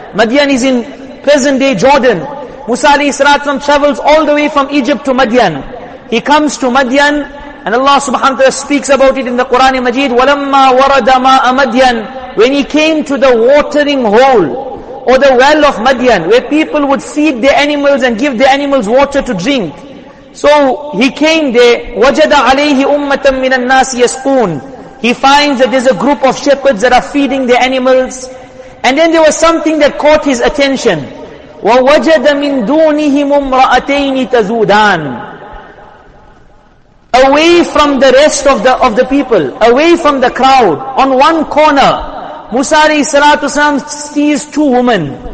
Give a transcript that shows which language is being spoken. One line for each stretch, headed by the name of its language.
English: Madian is in present day Jordan. Musa alayhi salatu wasalam travels all the way from Egypt to Madian. He comes to Madian, and Allah subhanahu wa ta'ala speaks about it in the Quran Majeed,
Arabic: walamma warada ma'a Madian,
English: when he came to the watering hole, or the well of Madian, where people would feed their animals and give their animals water to drink. So he came there,
Arabic: وَجَدَ عَلَيْهِ أُمَّةً مِّنَ النَّاسِ يَسْقُونَ.
English: He finds that there's a group of shepherds that are feeding their animals. And then there was something that caught his attention.
Arabic: وَوَجَدَ مِن دُونِهِمُ امْرَأَتَيْنِ تَزُودَانَ.
English: Away from the rest of the people, away from the crowd, on one corner, Musa alayhi salatu wasalam sees two women.